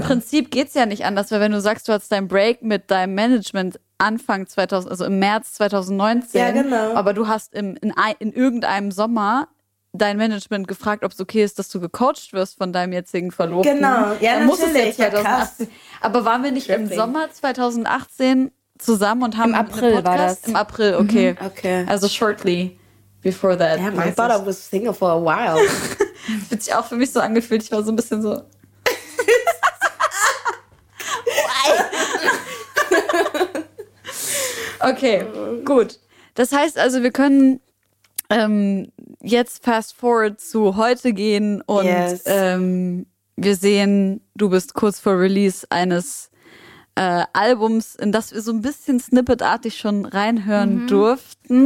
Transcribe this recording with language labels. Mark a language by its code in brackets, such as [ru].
[de] Im Prinzip geht's ja nicht anders, weil wenn du sagst, du hast dein Break mit deinem Management Anfang 2000, also im März 2019. Ja, genau. Aber du hast in irgendeinem Sommer dein Management gefragt, ob es okay ist, dass du gecoacht wirst von deinem jetzigen Verlobten. Genau. Ja, dann natürlich. Muss es ja, krass. Aber waren wir nicht im Sommer 2018 zusammen und haben im April einen Podcast? War das. Im April, okay. Mhm. Okay. [en] Also shortly before that. Yeah, I thought I was single for a while. [de] Wird sich auch für mich so angefühlt. Ich war so ein bisschen so... Okay, gut. Das heißt also, wir können jetzt fast forward zu heute gehen und wir sehen, du bist kurz vor Release eines Albums, in das wir so ein bisschen snippetartig schon reinhören durften.